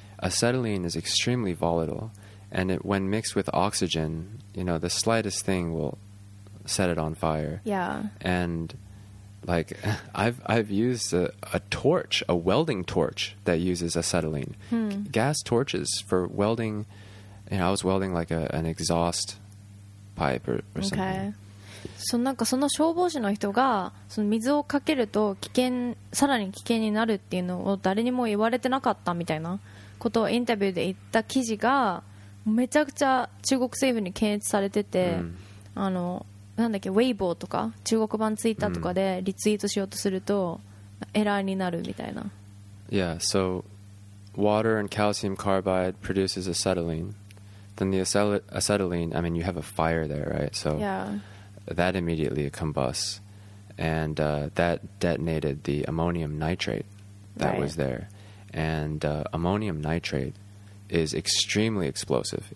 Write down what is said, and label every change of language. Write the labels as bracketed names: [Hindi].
[English] Acetylene is extremely volatile, and it, when mixed with oxygen, you know, the slightest thing will set it on fire. Yeah. And like I've used a torch, a welding torch that uses acetylene. Gas torches for welding, you know, I was welding like an exhaust pipe or something. Okay. [Japanese] そ, なんかその消防士の人がその水をかけると危険、さらに危険になるっていうのを誰にも言われてなかったみたいなことをインタビューで言った記事がめちゃくちゃ中国政府に検閲されてて、あのなんだっけ、ウェイボーとか中国版ツイッターとかでリツイートしようとするとエラーになるみたいな。 [English] Yeah, so water and calcium carbide produces acetylene. Then the acetylene, I mean, you have a fire there, right? So yeah. That immediately combusts, and that detonated the ammonium nitrate that was there. And ammonium nitrate is extremely explosive.